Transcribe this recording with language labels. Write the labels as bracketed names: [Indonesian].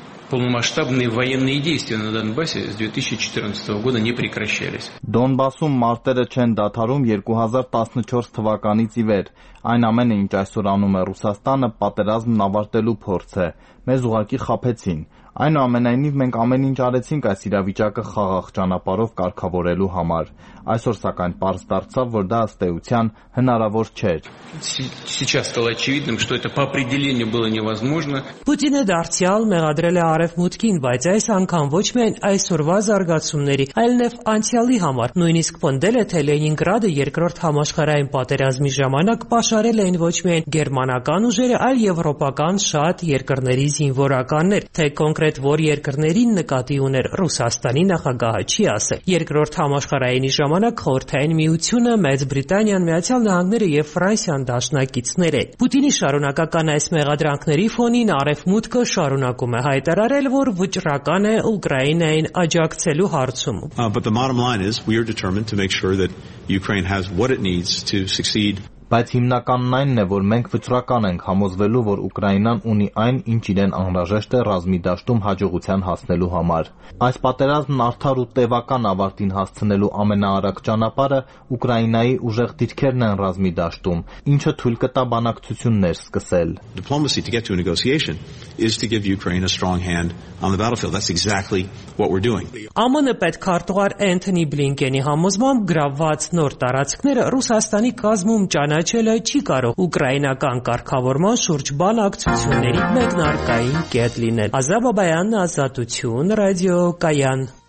[Russian] Полномасштабные военные действия на Донбассе с 2014 года не прекращались. [Armenian] Донбассում մարտերը չեն դադարում 2014 թվականից ի վեր։ Այն ամենը, ինչ այսօր անում է Ռուսաստանը, պատերազմն ավարտելու փորձ է։ Մեզ ուղղակի խաբեցին։ Այնուամենայնիվ մենք ամեն ինչ արեցինք այս իրավիճակը խաղաղ ճանապարհով կարգավորելու համար։ Այսօր սակայն պարզ դարձավ, որ դա ըստ էության հնարավոր չէր։ [Russian] Сейчас стало очевидным, что это по определению было невозможно. [Armenian] Պուտինը դարձյալ մեղադրել է արևմուտքին, բայց այս անգամ ոչ միայն այսօրվա զարգացումների, այլ նաև անցյալի համար։ Նույնիսկ փոնդել է, թե Լենինգրադը երկրորդ համաշխարհային պատերազմի ժամանակ պաշարել էին ոչ միայն գերմանական ուժերը, այլ եվրոպական շատ երկրների զինվորականներ, թե կոնկրետ որ երկրներին նկատի ուներ Ռուսաստանի նախագահը չի ասել։ Երկրորդ համաշխարհայինի ժամանակ Խորհրդային Միությունը, Մեծ Բրիտանիան, Միացյալ Նահանգները եւ Ֆրանսիան դաշնակիցներ են։ Պուտինի շարունակական այս մեղադրանքների ֆոնին Արևմուտքը շարունակում է հայտարարել, որ վճռական է Ուկրաինային աջակցելու հարցում։ [English] But the bottom line is we are determined to make sure that Ukraine has what it needs to succeed. [Armenian] Բայց հիմնականն այնն է, որ մենք վճռական ենք համոզվելու, որ Ուկրաինան ունի այն, ինչ իրեն անհրաժեշտ է ռազմիդաշտում հաջողության հասնելու համար։ Այս պատերազմն արդար ու տևական ավարտին հասցնելու ամենաարագ ճանապարհը Ուկրաինայի ուժեղ դիրքերն են ռազմիդաշտում, ինչը թույլ կտա բանակցություններ սկսել։ [English] Diplomacy to get to a negotiation is to give Ukraine a strong hand on the battlefield. That's exactly what we're doing. [Armenian] ԱՄՆ-ի պետք քարտուղար Էնթոնի Բլինկենի համոզմամբ գրաված նոր տարածքները Ռուսաստանի կազմում Անաչելը չի կարող ուկրաինական կարգավորման շուրջ բանակցությունների մեկնարկային կետ լինել։ Ազավաբայան, Ազատություն, Ռադիո Կայան։